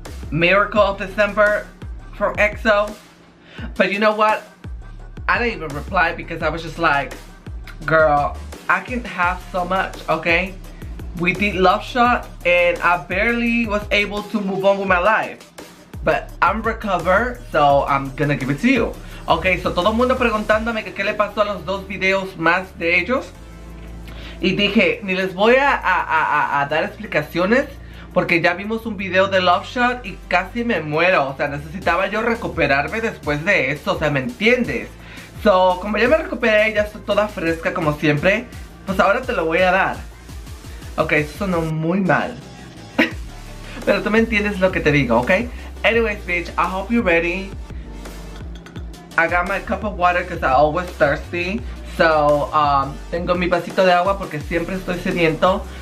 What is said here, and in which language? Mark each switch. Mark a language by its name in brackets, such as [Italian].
[English] Miracle of December from EXO? But you know what? I didn't even reply because I was just like, girl, I can have so much, okay? We did Love Shot and I barely was able to move on with my life. But I'm recovered, so I'm gonna give it to you. [Spanish] Okay, so todo el mundo preguntándome que qué le pasó a los dos videos más de ellos. Y dije, ni les voy a dar explicaciones porque ya vimos un video de Love Shot y casi me muero. O sea, necesitaba yo recuperarme después de esto, o sea, ¿me entiendes? So, como ya me recuperé y ya estoy toda fresca como siempre, pues ahora te lo voy a dar. Ok, eso sonó muy mal. Pero tú me entiendes lo que te digo, ok? [English] Anyways, bitch, I hope you're ready. I got my cup of water because I'm always thirsty. [Spanish] So, tengo mi vasito de agua porque siempre estoy sediento.